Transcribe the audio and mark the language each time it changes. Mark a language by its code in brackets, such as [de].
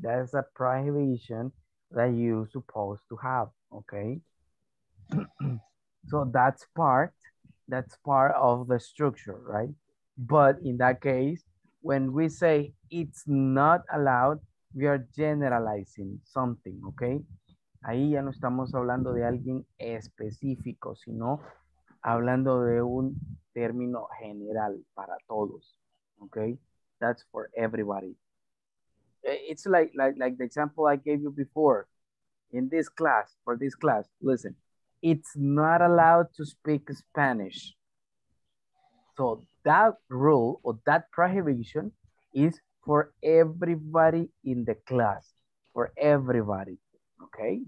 [en] That's a prohibition that you're supposed to have, okay? So that's part of the structure, right? But in that case, when we say it's not allowed, we are generalizing something, okay? [es] Ahí ya no estamos hablando de alguien específico, sino hablando de un término general para todos, okay? [en] That's for everybody. It's like the example I gave you before. In this class, for this class, listen. It's not allowed to speak Spanish. So that rule or that prohibition is for everybody in the class, for everybody, okay?